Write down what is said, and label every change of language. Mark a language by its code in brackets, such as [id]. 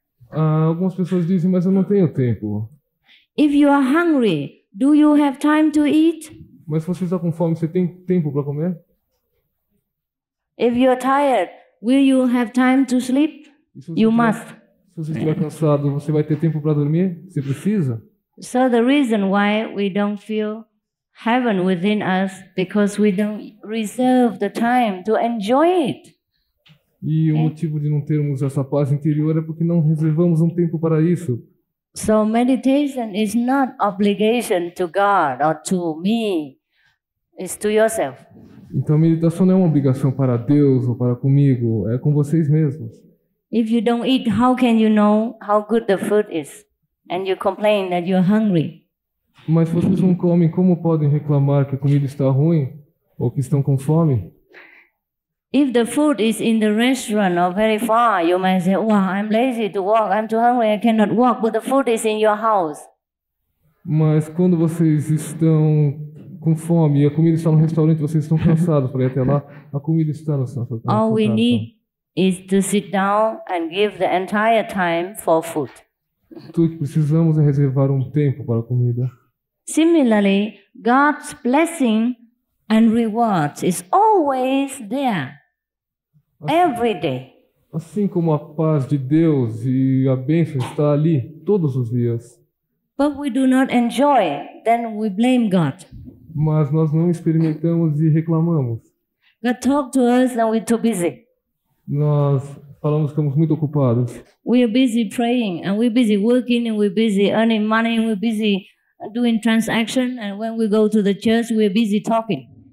[pt] Algumas pessoas dizem, mas eu não tenho tempo. [en] If you are hungry, do you have time to eat? [pt] Mas se você está com fome, você tem tempo para comer? [en] If you are tired, will you have time to sleep? You must. [pt] Se você estiver cansado, você vai ter tempo para dormir? Você precisa? [en] So the reason why we don't feel heaven within us because we don't reserve the time to enjoy it. [pt] E o motivo de não termos essa paz interior é porque não reservamos um tempo para isso. [en] So meditation is not obligation to God or to me. It's to yourself. [pt] Então a meditação não é uma obrigação para Deus ou para comigo, é com vocês mesmos. [en] If you don't eat, how can you know how good the food is? And you complain that you're hungry. [pt] Mas se vocês não comem, como podem reclamar que a comida está ruim ou que estão com fome? [en] If the food is in the restaurant or very far, you might say, "Wow, I'm lazy to walk. I'm too hungry. I cannot walk." But the food is in your house. [pt] Mas quando vocês estão com fome e a comida está no restaurante, vocês estão cansados para ir até lá. A comida está na sua casa. [en] All we need is to sit down and give the entire time for food. [pt] Tudo que precisamos é reservar um tempo para a comida. [en] Similarly, God's blessing and rewards is always there, every day. [pt] Assim como a paz de Deus e a bênção está ali todos os dias. [en] But we do not enjoy, then we blame God. [pt] Mas nós não experimentamos e reclamamos. [en] God talks to us and we're too busy. [pt] Nós falamos que estamos muito ocupados. [en] We are busy praying and we're busy working and we're busy earning money and we're busy doing transaction and when we go to the church we're busy talking.